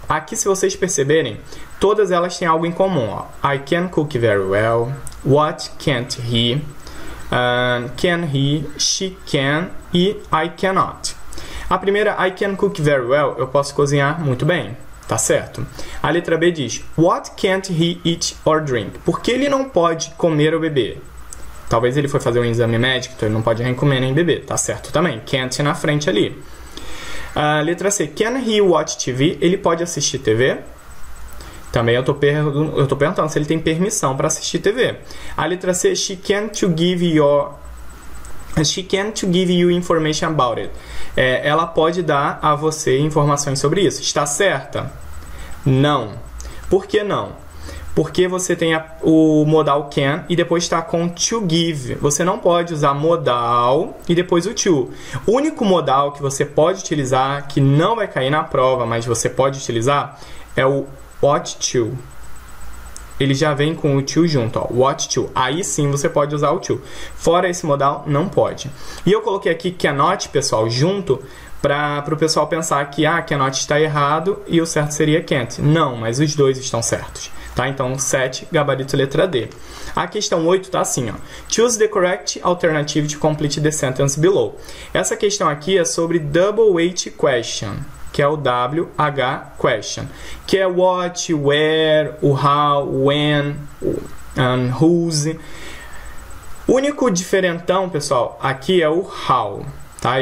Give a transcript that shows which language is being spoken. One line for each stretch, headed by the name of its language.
Portuguese: Aqui, se vocês perceberem, todas elas têm algo em comum, ó.
English: I can cook very well. What can't he? Can he? She can. E I cannot.
Portuguese: A primeira,
English: I can cook very well,
Portuguese: eu posso cozinhar muito bem, tá certo? A letra B diz,
English: What can't he eat or drink?
Portuguese: Por que ele não pode comer ou beber? Talvez ele foi fazer um exame médico, então ele não pode nem comer nem beber, tá certo também? Can't na frente ali. Letra C,
English: Can he watch TV?
Portuguese: Ele pode assistir TV? Também eu tô perguntando se ele tem permissão para assistir TV. A letra C,
English: She can't give your. She can't give you information about it.
Portuguese: Ela pode dar a você informações sobre isso. Está certa? Não. Por que não? Porque você tem o modal can e depois está com to give. Você não pode usar modal e depois o to. O único modal que você pode utilizar, que não vai cair na prova, mas você pode utilizar, é o ought to. Ele já vem com o to junto, ó. Watch to. Aí sim você pode usar o to. Fora esse modal, não pode. E eu coloquei aqui cannot, pessoal, junto, para o pessoal pensar que, ah, cannot está errado e o certo seria can't. Não, mas os dois estão certos. Tá? Então, 7, gabarito letra D. A questão 8 está assim, ó.
English: Choose the correct alternative to complete the sentence below.
Portuguese: Essa questão aqui é sobre double weight question, que é o WH question, que é what, where, o how, when, and whose. O único diferentão, pessoal, aqui é o how. Tá?